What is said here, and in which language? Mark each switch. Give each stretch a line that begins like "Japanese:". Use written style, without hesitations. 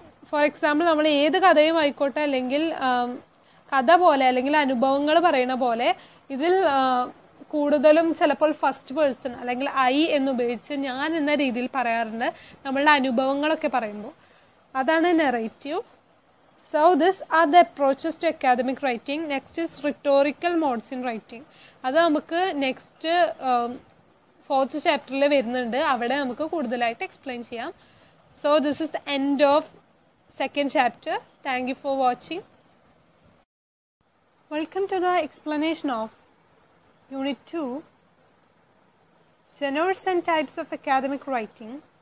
Malayalam: For example നമ്മൾ ഏത് കഥയും ആയിക്കോട്ടെ, അല്ലെങ്കിൽ കഥ പോലെ അല്ലെങ്കിൽ അനുഭവങ്ങൾ പറയുന്ന പോലെ, ഇതിൽ കൂടുതലും ചിലപ്പോൾ ഫസ്റ്റ് പേഴ്സൺ അല്ലെങ്കിൽ ഐ എന്ന് ഉപയോഗിച്ച് ഞാൻ എന്ന രീതിയിൽ പറയാറുണ്ട് നമ്മളുടെ അനുഭവങ്ങളൊക്കെ പറയുമ്പോൾ, അതാണ് narrative.
English: So this are the approaches to academic writing. Next is rhetorical modes in writing.
Malayalam: അത് നമുക്ക് നെക്സ്റ്റ് ഫോർത്ത് ചാപ്റ്ററിൽ വരുന്നുണ്ട്. അവിടെ നമുക്ക് കൂടുതലായിട്ട് എക്സ്പ്ലെയിൻ ചെയ്യാം.
English: So this is the end of second chapter. Thank you for watching. Welcome to the explanation of unit 2, genres and types of academic writing.